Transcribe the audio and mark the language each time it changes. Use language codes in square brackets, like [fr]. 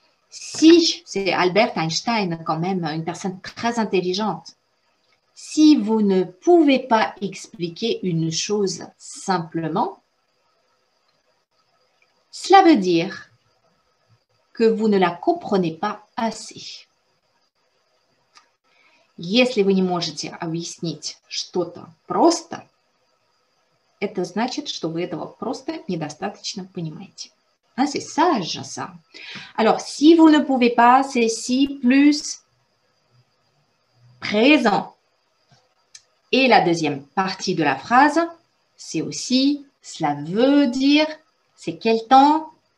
[fr] Si, c'est Albert Einstein quand même, une personne très intelligente. Si vous ne pouvez pas expliquer une chose simplement, cela veut dire que vous ne la comprenez pas assez. [ru] Если вы не можете объяснить что-то просто, это значит, что вы этого просто недостаточно понимаете. [fr] Hein, c'est sage ça. Alors, si vous ne pouvez pas, c'est si plus présent. Et la deuxième partie de la phrase, c'est aussi, cela veut dire, c'est quel temps?